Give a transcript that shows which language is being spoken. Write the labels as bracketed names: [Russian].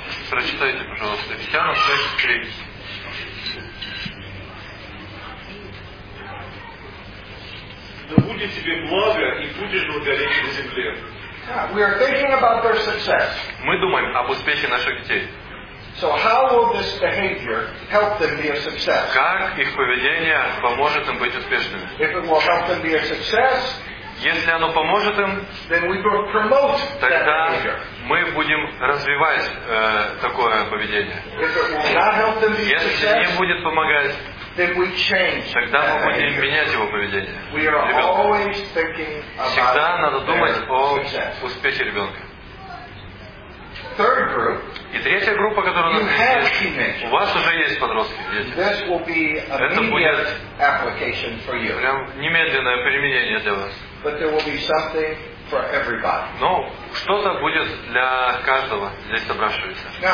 [Russian] Прочитайте, пожалуйста, Ефесянам 6, 3. Да будет тебе благо, и будешь благодарить на земле. [English] We are thinking about their success. [Russian] Мы думаем об успехе наших детей. [English] So how will this behavior help them be a success? [Russian] Как их поведение поможет им быть успешными? [English] If it will help them be a success, [Russian] если оно поможет им, [English] then we will promote that behavior. [Russian] Тогда мы будем развивать такое поведение. [English] If it will not help them be a success, [Russian] если не будет помогать, [English] then we change. [Russian] Тогда мы будем менять его поведение. [English] We are [Russian] ребенка. [English] Always thinking about success. [Russian] Всегда надо думать о успехе ребенка. [English] Third group. [Russian] И третья группа, которая [English] you have [Russian] есть, [English] teenagers. [Russian] У вас уже есть подростки, дети. [English] This will be immediate application for you. [Russian] Прям немедленное применение для вас. [English] But there will be something for everybody. [Russian] Но что-то будет для каждого здесь собравшегося.